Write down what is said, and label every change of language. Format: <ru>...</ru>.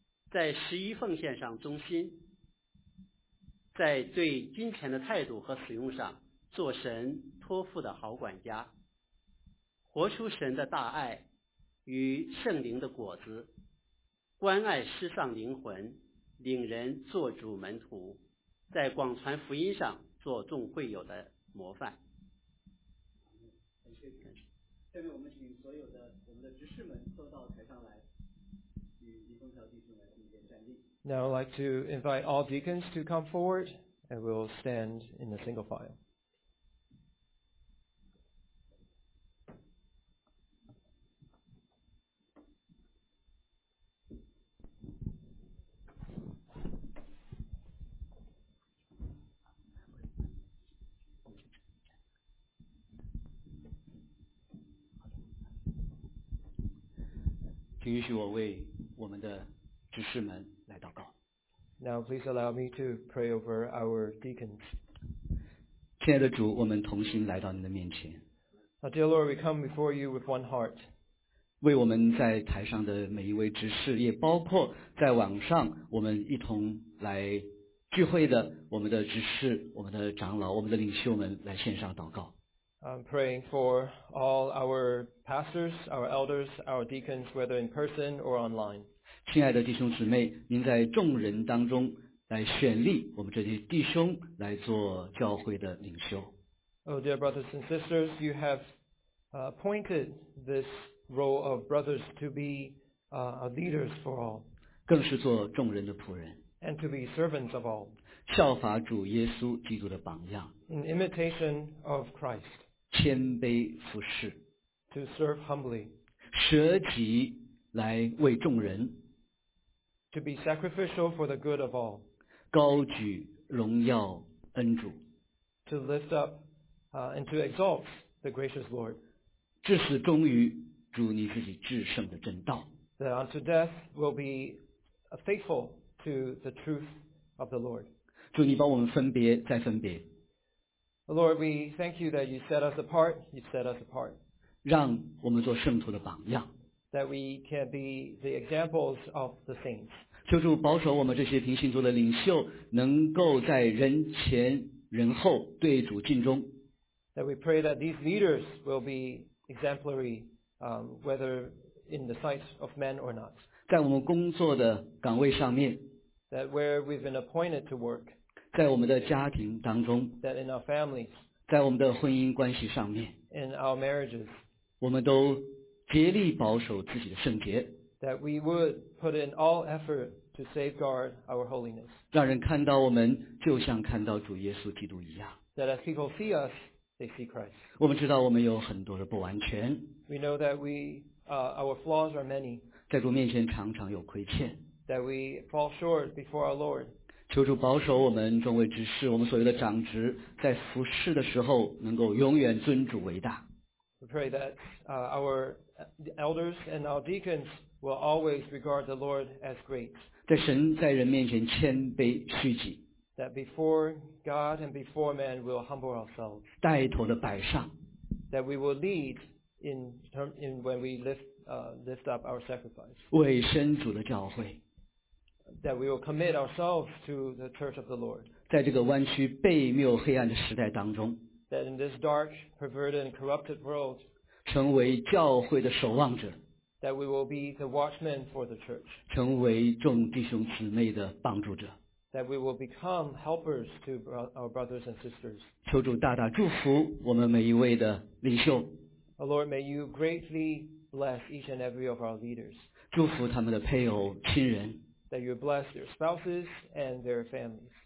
<zh>在十一奉献上忠心，在对金钱的态度和使用上做神托付的好管家，活出神的大爱与圣灵的果子，关爱失丧灵魂，领人做主门徒，在广传福音上做众会友的模范。下面我们请所有的我们的执事们都到台上来，与李丰桥弟兄来并肩站立。</zh> <en>Now I'd like to invite all deacons to come forward, and we'll stand in the single file.</en> <zh>允许我为我们的执事们来祷告。</zh> <en>Now please allow me to pray over our deacons.</en> <zh>亲爱的主，我们同心来到您的面前。</zh> <en>Now, dear Lord, we come before you with one heart.</en> <zh>为我们在台上的每一位执事，也包括在网上我们一同来聚会的我们的执事、我们的长老、我们的领袖们来献上祷告。</zh> <en>I'm praying for all our pastors, our elders, our deacons, whether in person or online.</en> <zh>亲爱的弟兄姊妹，您在众人当中来选立我们这些弟兄来做教会的领袖。</zh> <en>Oh, dear brothers and sisters, you have appointed this role of brothers to be leaders for all.</en> <zh>更是做众人的仆人。</zh> <en>And to be servants of all.</en> <zh>效法主耶稣基督的榜样。</zh> <en>In imitation of Christ.</en> <zh>谦卑服侍。</zh> <en>To serve humbly.</en> <zh>舍己来为众人。</zh> <en>To be sacrificial for the good of all.</en> <zh>高举荣耀恩主。</zh> <en>To lift up and to exalt the gracious Lord.</en> <zh>至死忠于主你自己至圣的正道。</zh> <en>That unto death will be faithful. To the truth of the Lord.</en> <zh>主你帮我们分别再分别。</zh> <en>Lord, we thank you that you set us apart. You set us apart.</en> <zh>让我们做圣徒的榜样。</zh> <en>That we can be the examples of the saints.</en> <zh>求主保守我们这些平信徒的领袖，能够在人前人后对主尽忠。</zh> <en>That we pray that these leaders will be exemplary, whether in the sight of men or not.</en> <zh>在我们工作的岗位上面，</zh> <en>that where we've been appointed to work,</en> <zh>在我们的家庭当中，</zh> <en>that in our families,</en> <zh>在我们的婚姻关系上面，</zh> <en>in our marriages,</en> <zh>我们都竭力保守自己的圣洁，</zh> <en>that we would put in all effort to safeguard our holiness,</en> <zh>让人看到我们就像看到主耶稣基督一样，</zh> <en>that as people see us, they see Christ.</en> <zh>我们知道我们有很多的不完全，</zh> <en>we know that we, our flaws are many.</en> <zh>在主面前常常有亏欠。</zh> <en>That we fall short before our Lord.</en> <zh>求主保守我们众位执事，我们所有的长职，在服事的时候能够永远尊主为大。</zh> <en>We pray that our elders and our deacons will always regard the Lord as great.</en> <zh>在神在人面前谦卑虚己。</zh> <en>That before God and before man will humble ourselves.</en> <zh>带头的摆上。</zh> <en>That we will lead in when we lift up our sacrifice.</en> <zh>委身主的教会。</zh> <en>That we will commit ourselves to the church of the Lord.</en> <zh>在这个弯曲悖谬黑暗的时代当中。</zh> <en>That in this dark, perverted, and corrupted world.</en> <zh>成为教会的守望者。</zh> <en>That we will be the watchmen for the church.</en> <zh>成为众弟兄姊妹的帮助者。</zh> <en>That we will become helpers to our brothers and sisters.</en> <zh>求主大大祝福我们每一位的领袖。</zh> <en>Oh Lord, may you greatly bless each and every of our leaders.</en> <zh>祝福他们的配偶亲人。</zh> <en>That you bless their spouses and their families.</en>